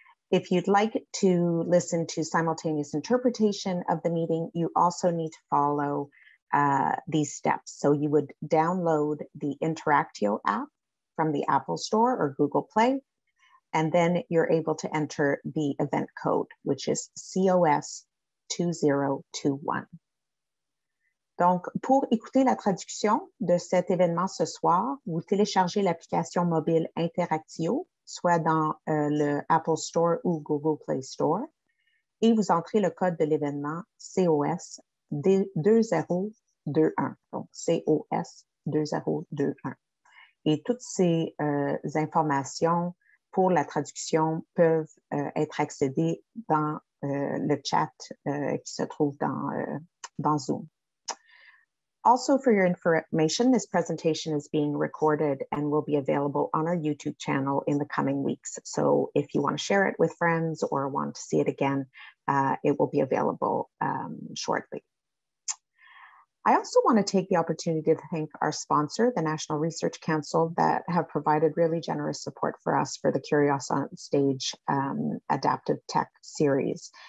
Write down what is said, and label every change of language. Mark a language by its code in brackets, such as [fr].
[en] If you'd like to listen to simultaneous interpretation of the meeting, you also need to follow these steps. So you would download the Interactio app from the Apple Store or Google Play, and then you're able to enter the event code, which is COS2021. [fr] Donc, pour écouter la traduction de cet événement ce soir, vous téléchargez l'application mobile Interactio, soit dans le Apple Store ou Google Play Store, et vous entrez le code de l'événement COS2021. Donc, COS2021. Et toutes ces informations pour la traduction peuvent être accédées dans le chat qui se trouve dans, dans Zoom. [en] Also, for your information, this presentation is being recorded and will be available on our YouTube channel in the coming weeks. So if you want to share it with friends or want to see it again, it will be available shortly. I also want to take the opportunity to thank our sponsor, the National Research Council, that have provided really generous support for us for the Curios on Stage Adaptive Tech series.